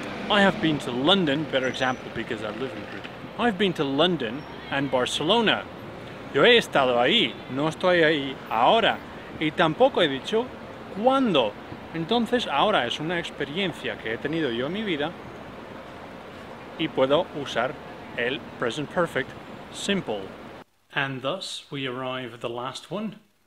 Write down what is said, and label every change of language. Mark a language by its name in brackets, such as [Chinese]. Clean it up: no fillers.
[English] I have been to London, better example because I live in Madrid. I've been to London and Barcelona. [Spanish] Yo he estado ahí, no estoy ahí ahora. Y tampoco he dicho cuándo. Entonces ahora es una experiencia que he tenido yo en mi vida y puedo usar el present perfect simple. [English] And thus we arrive at the last one.